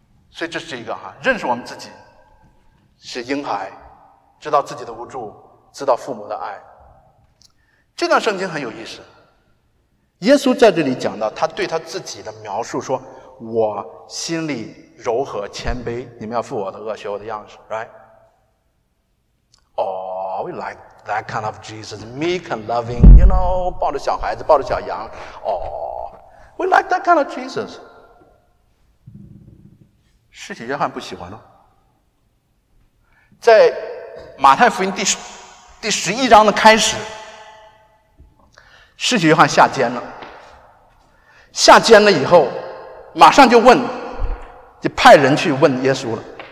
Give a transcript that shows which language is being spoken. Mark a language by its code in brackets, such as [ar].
[zh] 所以这是一个哈，认识我们自己是婴孩，知道自己的无助，知道父母的爱。这段圣经很有意思，耶稣在这里讲到他对他自己的描述，说我心里柔和谦卑，你们要负我的轭，学我的样式， right? [en] Oh, we like that kind of Jesus, meek and loving, you know, [zh] 抱着小孩子，抱着小羊。 [en] Oh, we like that kind of Jesus。 [zh] 施洗约翰不喜欢了，在马太福音第十一章的开始，施洗约翰下监了。下监了以后，马上就问，就派人去问耶稣了。